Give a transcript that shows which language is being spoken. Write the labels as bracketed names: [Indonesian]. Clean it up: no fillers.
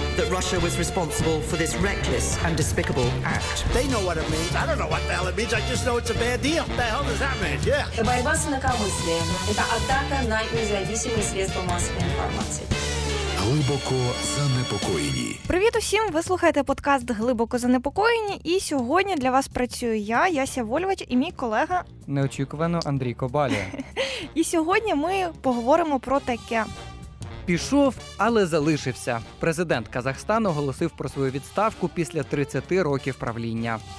[English] Russia was responsible for this reckless and despicable act. They know what it means. I don't know what the hell it means. I just know it's a bad deal. What the hell does that mean? Yeah. [Russian] The борьба с инакомыслием — это атака на независимые средства массовой информации. [Ukrainian] Глибоко занепокоєні. Привіт усім! Ви слухаєте подкаст «Глибоко занепокоєні», і сьогодні для вас працюю я, Яся Вольвач, і мій колега... Неочікувано Андрій Кобаля. І сьогодні ми поговоримо про таке. Пішов, але залишився. Президент Казахстану оголосив про свою відставку після 30 років правління.